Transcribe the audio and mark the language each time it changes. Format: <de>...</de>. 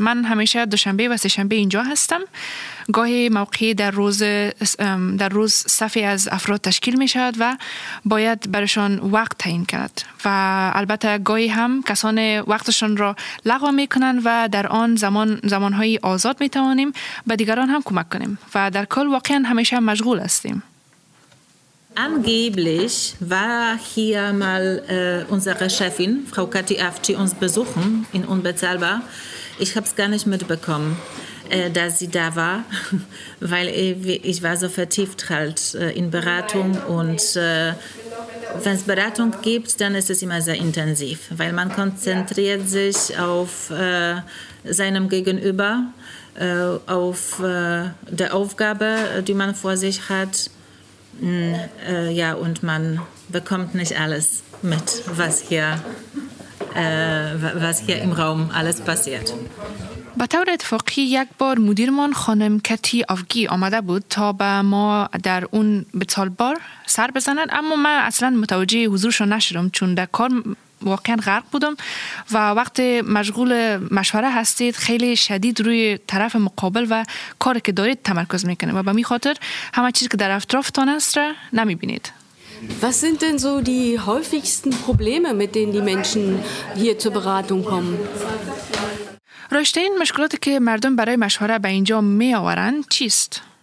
<fa>من همیشه دوشنبه و سه‌شنبه اینجا هستم. گاهی موقعی در روز صفی از افراد تشکیل می شود و باید برشان وقت تعیین کرد. و البته گاهی هم کسان وقتشان را لغو می کنند و در آن زمانهای آزاد می توانیم به دیگران هم کمک کنیم. و در کل واقعا همیشه مشغول هستیم.</fa> <de>Angeblich war hier mal unsere Chefin, Frau Kati Afci, uns besuchen in Unbezahlbar. Ich habe es gar nicht mitbekommen, dass sie da war, weil ich war so vertieft halt in Beratung. Und wenn es Beratung gibt, dann ist es immer sehr intensiv, weil man konzentriert sich auf seinem Gegenüber, auf der Aufgabe, die man vor sich hat. Ja, und man bekommt nicht alles mit, was hier im Raum alles passiert.</de> <fa>به طور اتفاقی یک بار مدیرمان خانم کتی آفگی آمده بود تا به ما در اون بتال بار سر بزنند، اما من اصلا متوجه حضورش نشدم چون در کار واقعا غرق بودم و وقت مشغول مشوره هستید خیلی شدید روی طرف مقابل و کاری که دارید تمرکز میکنه و به می خاطر همه چیز که در اطرافتان است را نمیبینید.</fa> <de>Was sind denn so die häufigsten Probleme, mit denen die Menschen hier zur Beratung kommen?</de> <fa>Rüste in مشکلاتی که مردم برای مشوره به اینجا می آورند چیست؟</fa>